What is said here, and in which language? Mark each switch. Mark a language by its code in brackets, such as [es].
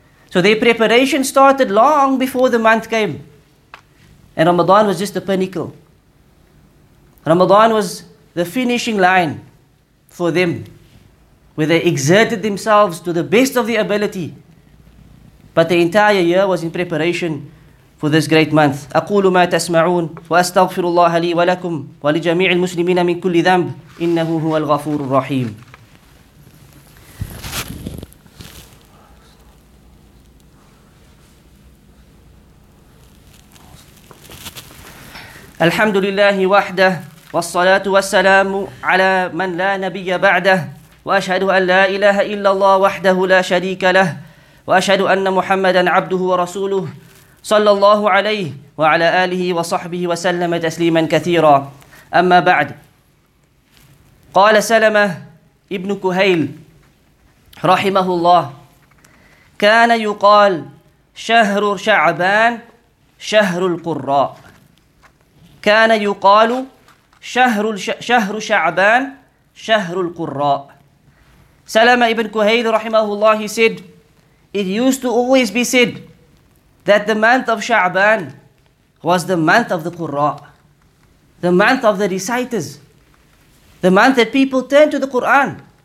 [en] So their preparation started long before the month came. And Ramadan was just the pinnacle. Ramadan was the finishing line for them, where they exerted themselves to the best of their ability. But the entire year was in preparation for this great month. [ar] أقول ما تسمعون وأستغفر الله لي ولكم ولجميع المسلمين من كل ذنب إنه هو الغفور الرحيم. الحمد لله وحده والصلاة والسلام على من لا نبي بعده وأشهد أن لا إله إلا الله وحده لا شريك له وأشهد أن محمدا عبده ورسوله صلى الله عليه وعلى آله وصحبه وسلم تسليما كثيرا. أما بعد، قال سلمة ابن كهيل رحمه الله: كان يقال شهر شعبان شهر القراء. كان يقال شهر شعبان شهر القراء. [en] سلمة ابن كهيل [ar] رحمه الله [en] said, it used to always be said that the month of Sha'ban was the month of the Qurra, the month of the reciters, the month that people turn to the Qur'an.